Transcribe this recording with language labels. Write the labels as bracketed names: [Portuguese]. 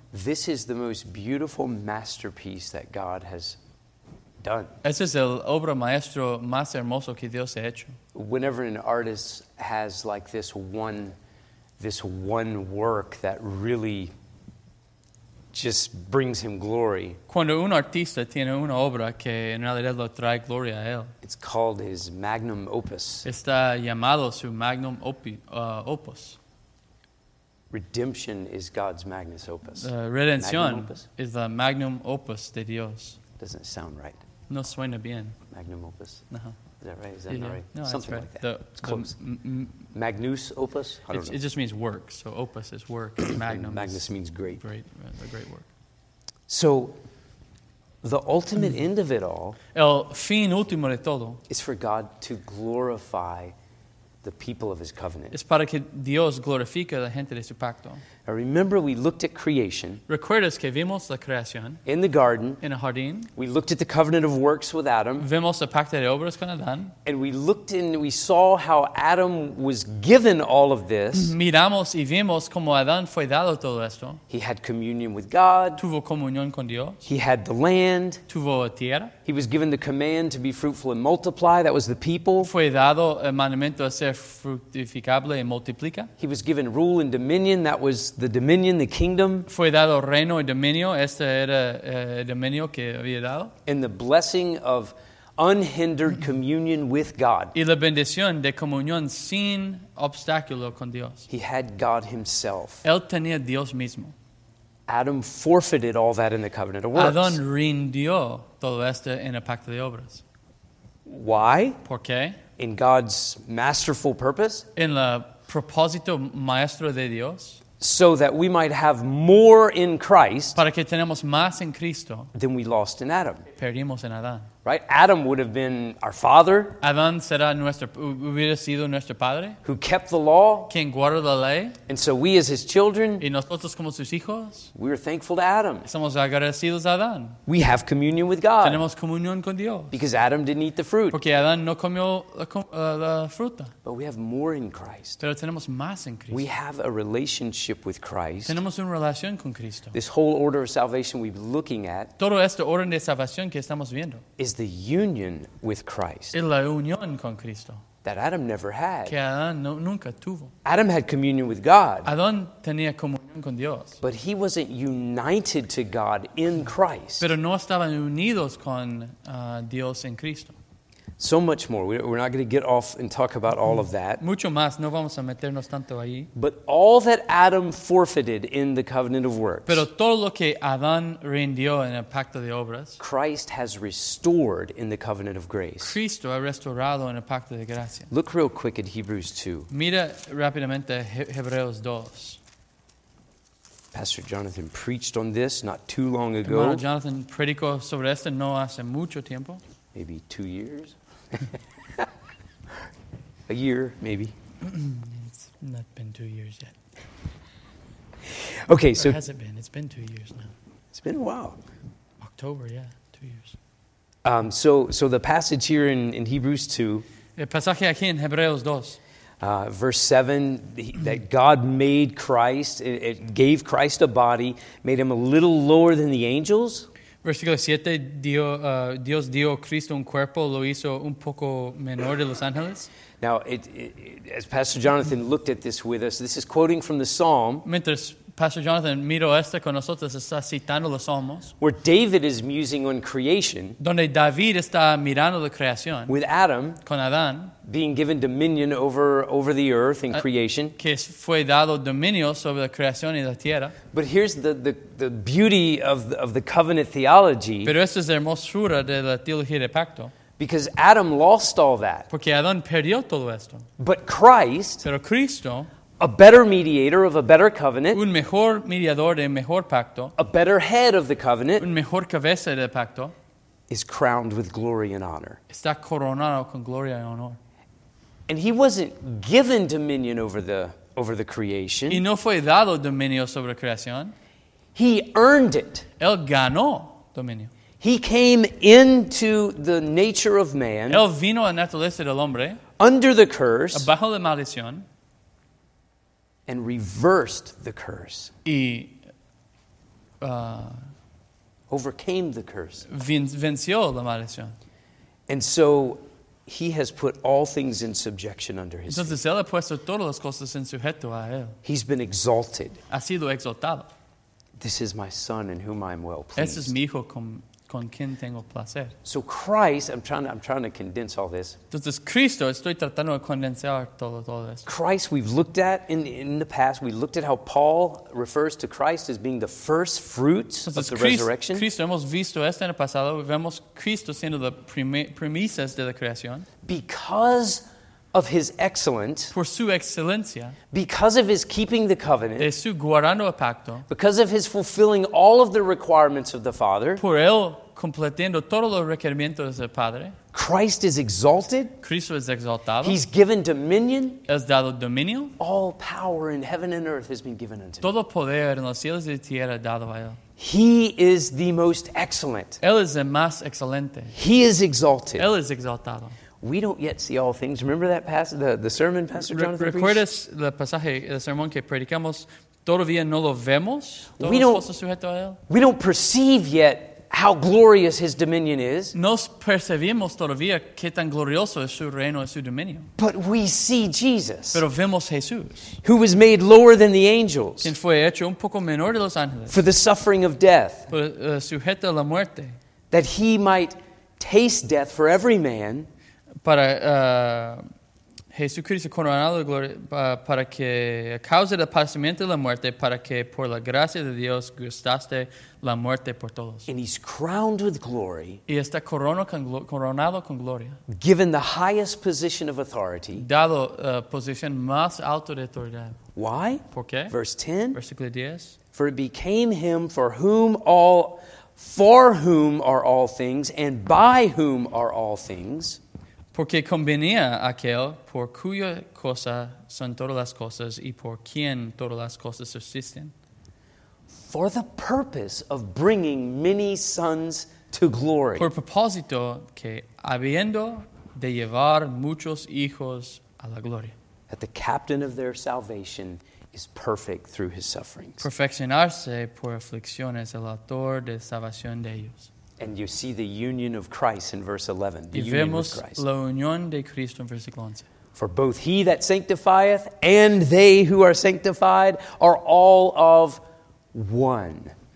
[English] This is the most beautiful masterpiece that God has done. [Spanish] Esa es el obra maestro más hermoso que Dios ha hecho. [English] Whenever an artist has like this one work that really just brings him glory. [Spanish] Cuando un artista tiene una obra que en realidad lo trae gloria a él. [English] It's called his magnum opus. [Spanish] Está llamado su magnum opus. [English] Redemption is God's magnus opus. [Spanish] Redención es la magnum opus de Dios. [English] Doesn't sound right. [Spanish] No suena bien. [English] Magnum opus. Uh-huh. Is that right? Is that not right? No, something right. Like that. It's close. Magnus opus? I don't know. It just means work. So opus is work. Magnum. Magnus means great. Great, a great work. So the ultimate end of it all. [Spanish] El fin último de todo. [English] Is for God to glorify the people of his covenant. [Spanish] Es para que Dios glorifique la gente de su pacto. [English] Now remember, we looked at creation. [Spanish] ¿Recuerdas que vimos la creación? [English] In the garden. [Spanish] En el jardín. [English] We looked at the covenant of works with Adam. [Spanish] Vimos el pacto de obras con Adán. [English] And we looked and we saw how Adam was given all of this. [Spanish] Miramos y vimos cómo Adán fue dado todo esto. [English] He had communion with God. [Spanish] Tuvo comunión con Dios. [English] He had the land. [Spanish] Tuvo tierra. [English] He was given the command to be fruitful and multiply. That was the people. [Spanish] Fue dado el mandamiento a ser fructificable y multiplica. [English] He was given rule and dominion. That was the dominion, the kingdom. [Spanish] Fue dado reino y dominio. Este era el dominio que había dado. [English] And the blessing of unhindered communion with God. [Spanish] Y la bendición de comunión sin obstáculo con Dios. [English] He had God himself. [Spanish] Él tenía Dios mismo. [English] Adam forfeited all that in the covenant of works. [Spanish] Adán rindió todo esto en el pacto de obras. [English] Why? [Spanish] ¿Por qué? [English] In God's masterful purpose. [Spanish] En el propósito maestro de Dios. [English] So that we might have more in Christ. [Spanish] Para que tenemos más en Cristo. [English] Than we lost in Adam. [Spanish] Perdimos en Adán. [English] Right? Adam would have been our father. [Spanish] Adán será hubiera sido nuestro padre. [English] Who kept the law. [Spanish] Quien guarda la ley. [English] And so we as his children. [Spanish] Y nosotros como sus hijos. [English] We are thankful to Adam. [Spanish] Somos agradecidos a Adán. [English] We have communion with God. [Spanish] Tenemos comunión con Dios. [English] Because Adam didn't eat the fruit. [Spanish] Porque Adán no comió la fruta. [English] But we have more in Christ. [Spanish] Pero tenemos más en Cristo. [English] We have a relationship with Christ. [Spanish] Tenemos una relación con Cristo. [English] This whole order of salvation we've been looking at. [Spanish] Todo este orden de salvación que estamos viendo. [English] Is the union with Christ. [Spanish] Y la unión con Cristo. [English] That Adam never had. [Spanish] Que Adán no, nunca tuvo. [English] Adam had communion with God. [Spanish] Adán tenía comunión con Dios. [English] But he wasn't united to God in Christ. [Spanish] Pero no estaban unidos con Dios en Cristo. [English] So much more. We're not going to get off and talk about all of that. [Spanish] Mucho más. No vamos a meternos tanto ahí. [English] But all that Adam forfeited in the covenant of works. [Spanish] Pero todo lo que Adán rindió en el pacto de obras. [English] Christ has restored in the covenant of grace. [Spanish] Cristo ha restaurado en el pacto de gracia. [English] Look real quick at Hebrews 2. [Spanish] Mira rápidamente Hebreos 2. [English] Pastor Jonathan preached on this not too long ago. [Spanish] Hermano Jonathan predicó sobre esto no hace mucho tiempo. [English] Maybe 2 years. A year, maybe. It's not been 2 years yet. Okay, or so... has it been? It's been 2 years now. It's been a while. October, yeah, 2 years. So the passage here in Hebrews 2... [Spanish] El pasaje aquí en Hebreos 2. [English] Verse 7, that God made Christ, it gave Christ a body, made him a little lower than the angels... [Spanish] Versículo 7, Dios dio a Cristo un cuerpo, lo hizo un poco menor de los ángeles. [English] Now, as Pastor Jonathan looked at this with us, this is quoting from the Psalm. [Spanish] Mientras Pastor Jonathan miró esto con nosotros, está citando los Salmos. [English] Where David is musing on creation. [Spanish] Donde David está mirando la creación. [English] With Adam. [Spanish] Con Adán. [English] Being given dominion over the earth and creation. [Spanish] Que fue dado dominio sobre la creación y la tierra. [English] But here's the beauty of the covenant theology. [Spanish] Pero esta es la hermosura de la teología de pacto. [English] Because Adam lost all that. [Spanish] Porque Adán perdió todo esto. [English] But Christ. [Spanish] Pero Cristo. [English] A better mediator of a better covenant. [Spanish] Un mejor mediador de mejor pacto. [English] A better head of the covenant. [Spanish] Un mejor cabeza del pacto. [English] Is crowned with glory and honor. [Spanish] Está coronado con gloria y honor. [English] And he wasn't given dominion over the creation. [Spanish] Y no fue dado dominio sobre creación. [English] He earned it. [Spanish] Él ganó dominio. [English] He came into the nature of man. [Spanish] Él vino a la naturaleza del hombre. [English] Under the curse. [Spanish] Bajo la maldición. [English] And reversed the curse. [Spanish] Y [English] overcame the curse. [Spanish] Venció la maldición. [English] And so he has put all things in subjection under his feet. [Spanish] Entonces él ha puesto todas las cosas en sujeto a él. [English] He's been exalted. [Spanish] Ha sido exaltado. [English] This is my son in whom I am well pleased. [Spanish] Este es mi hijo con quien tengo placer. [English] So Christ, I'm trying to condense all this. [Spanish] Entonces Cristo, estoy tratando de condensar todo esto. [English] Christ, we've looked at in the past, we looked at how Paul refers to Christ as being the first fruit [Spanish] Entonces, [English] of the resurrection. [Spanish] Cristo, hemos visto esto en el pasado, vemos Cristo siendo la premisas de la creación. [English] Because of his excellence, [Spanish] por su excelencia, [English] because of his keeping the covenant, [Spanish] de su guardando el pacto, [English] because of his fulfilling all of the requirements of the Father, [Spanish] por él completando todos los requerimientos del Padre, [English] Christ is exalted, [Spanish] Cristo es exaltado, [English] he's given dominion, [Spanish] es dado dominio, [English] all power in heaven and earth has been given unto him, [Spanish] todo poder en los cielos y tierra dado a él. [English] He is the most excellent, [Spanish] él es el más excelente, [English] he is exalted, [Spanish] él es exaltado. [English] We don't yet see all things. Remember that passage, the sermon, Pastor Jonathan preached? [Spanish] ¿Recuerdas el pasaje, el sermón que predicamos? ¿Todavía no lo vemos? [English] We don't perceive yet how glorious his dominion is. [Spanish] No percibimos todavía qué tan glorioso es su reino y su dominio. [English] But we see Jesus. [Spanish] Pero vemos Jesús. [English] Who was made lower than the angels. [Spanish] Quien fue hecho un poco menor de los ángeles. [English] For the suffering of death. [Spanish] Por, sujeto a la muerte. [English] That he might taste death for every man. [Spanish] Para Jesucristo coronado de gloria, para que a causa del padecimiento de la muerte, para que por la gracia de Dios gustaste la muerte por todos. [English] And he's crowned with glory. [Spanish] Y está coronado con gloria. [English] Given the highest position of authority. [Spanish] Dado la posición más alta de autoridad. [English] Why? [Spanish] ¿Por qué? [English] Verse 10. [Spanish] Versículo 10. [English] For it became him for whom all, for whom are all things, and by whom are all things. [Spanish] Porque convenía aquel por cuya cosa son todas las cosas y por quien todas las cosas subsisten. [English] For the purpose of bringing many sons to glory. [Spanish] Por propósito que habiendo de llevar muchos hijos a la gloria. [English] That the captain of their salvation is perfect through his sufferings. [Spanish] Perfeccionarse por aflicciones el autor de salvación de ellos. [English] And you see the union of Christ in verse 11. The [Spanish] y [English] union [Spanish] vemos [English] of Christ. [Spanish] La unión de Cristo en versículo 11. [English] For both he that sanctifieth and they who are sanctified are all of one.